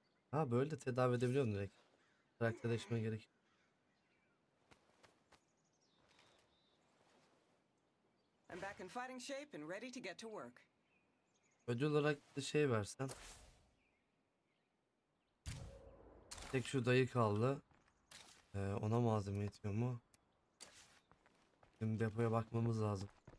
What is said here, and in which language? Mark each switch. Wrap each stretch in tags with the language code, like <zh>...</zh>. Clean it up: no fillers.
<tr>Ha, böyle de tedavi edebiliyorum direkt. Karakter değişmeye gerek.</tr> <en>I'm back in fighting shape and ready to get to work.</en> <tr>Ödül olarak bir şey versen. Tek şu dayı kaldı. Ona malzeme yetiyor mu? Şimdi depoya bakmamız lazım.</tr>